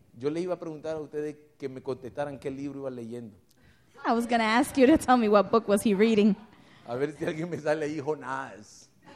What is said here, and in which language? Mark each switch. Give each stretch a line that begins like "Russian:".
Spanish: Yo le iba a preguntar a ustedes que me contestaran qué libro iba leyendo.
English: I was going to ask you to tell me what book was he reading.
Spanish: A ver si alguien me sale ahí, Jonás.